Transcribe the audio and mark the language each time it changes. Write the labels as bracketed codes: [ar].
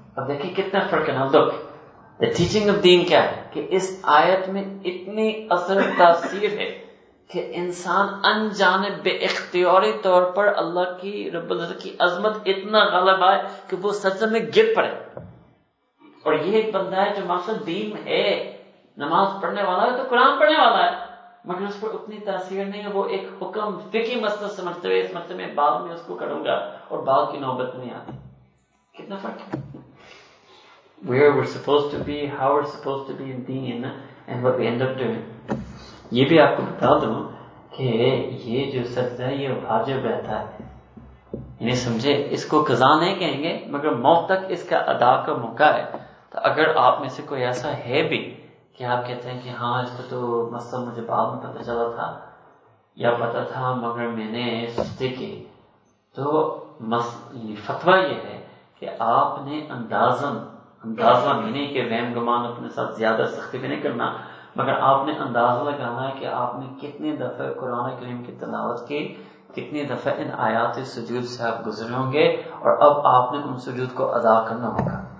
[hi] अब देखिए कितना फर्क है ना, [en] look the teaching of दीन [hi] क्या है कि इस आयत में इतनी असर तासीर है कि इंसान अनजाने बे इख्तियारी तौर पर अल्लाह की रब्बुल इज्जत की अजमत इतना गालिब आए कि वो सजदे में गिर पड़े। और ये एक बंदा है जो माशा दीन है, नमाज पढ़ने वाला है तो कुरान पढ़ने वाला है, मगर उस पर उतनी तासीर नहीं है, वो एक हुक्म फिकी मसला समझते हुए इस मसले में बाद में उसको करूंगा और बाद की नौबत नहीं आती। कितना फर्क है? [en] Where we're supposed to be, how we're supposed to be in deen, and what we end up doing. [hi] ये भी आपको बता दूं कि ये जो सब्ज है ये वाजिब रहता है, यानी समझे इसको कजा नहीं कहेंगे मगर मौत तक इसका अदा का मौका है। तो अगर आप में से कोई ऐसा है भी कि आप कहते हैं कि हाँ इसको तो मसला मुझे बाद में पता चला था या पता था मगर मैंने सुस्ती की, तो फतवा ये है कि आपने अंदाजा मैंने कि वहम गुमान अपने साथ ज्यादा सख्ती भी नहीं करना, मगर आपने अंदाजा लगाना है कि आपने कितने दफे कुरान करीम की तलावत की, कितने दफे इन आयात सुजूद से आप गुजरे होंगे और अब आपने उन सुजूद को अदा करना होगा।